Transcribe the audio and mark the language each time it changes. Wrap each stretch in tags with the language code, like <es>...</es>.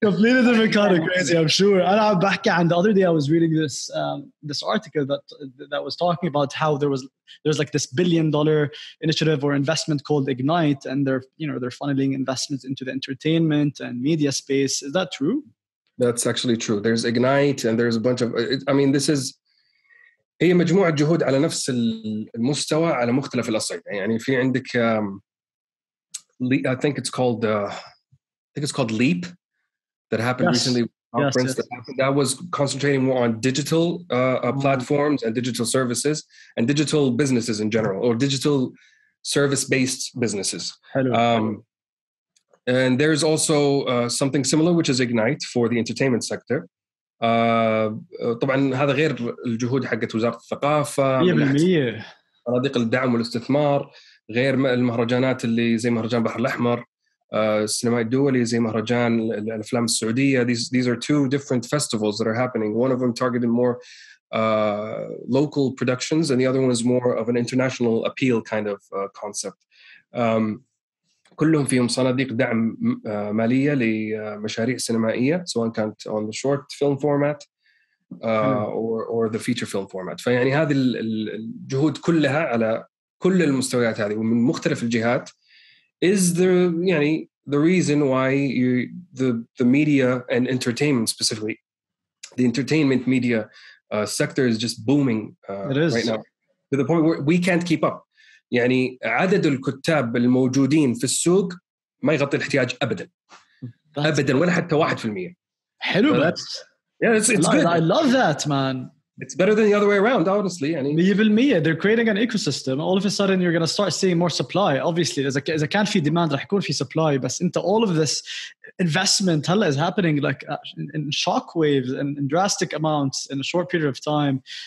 <en>Completely different kind of crazy, I'm sure. And I'm back, and the other day I was reading this this article that was talking about how there's like this $1 billion initiative or investment called Ignite, and they're funneling investments into the entertainment and media space. Is that true? That's actually true. There's Ignite, and there's a bunch of. This is.</en> <ar>هي مجموعة جهود على نفس المستوى على مختلف الأصعدة. يعني في عندك.</ar> <en>I think it's called Leap, that happened recently. That was concentrating more on digital platforms and digital services and digital businesses in general, or digital service-based businesses. And there's also something similar, which is Ignite for the entertainment sector.</en> <ar>طبعاً هذا غير الجهود حقت وزارة الثقافة.</ar> <en>100%.</en> <ar>مناطق الدعم والاستثمار غير المهرجانات اللي زي مهرجان بحر الأحمر.</ar> <en>Cinema Duali, Zimahrajan, Al-Flam Saudiya, these are two different festivals that are happening. One of them targeted more local productions, and the other one is more of an international appeal kind of concept.</en> <ar>كلهم فيهم صناديق دعم مالية لمشاريع سينمائية, سواء كانت</ar> <en>on the short film format</en> <ar>or the feature film format. فيعني هذه الجهود كلها على كل المستويات هذه ومن مختلف الجهات.</ar> <en>Is there, the reason why the media and entertainment specifically, the entertainment media sector is just booming right now to the point where we can't keep up.</en> <ar>يعني عدد الكتاب الموجودين في السوق ما يغطي الاحتياج أبداً ولا حتى 1%. حلو.</ar> <en>That's good. I love that, man. It's better than the other way around, honestly. Yeah, they're creating an ecosystem. All of a sudden, you're going to start seeing more supply. Obviously, there's a can't feed demand, there's going to be supply. But into all of this investment is happening like in shockwaves and in drastic amounts in a short period of time.</en>